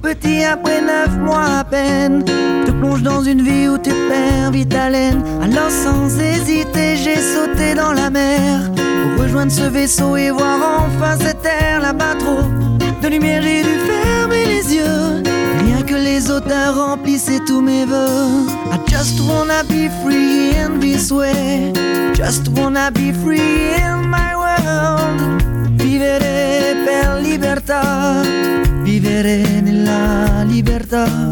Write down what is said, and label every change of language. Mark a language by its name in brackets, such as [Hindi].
[French] petit après 9 mois à peine. Te plonge dans une vie où tu perds vite haleine. Alors sans hésiter, j'ai sauté dans la mer pour rejoindre ce vaisseau et voir enfin cette terre. Là-bas, trop de lumière, j'ai dû fermer les yeux. Rien que les odeurs remplissaient tous mes voeux. [English] I just wanna be free in this way. Just wanna be free in my world. [Italian] Vivere per libertà, vivere nella libertà.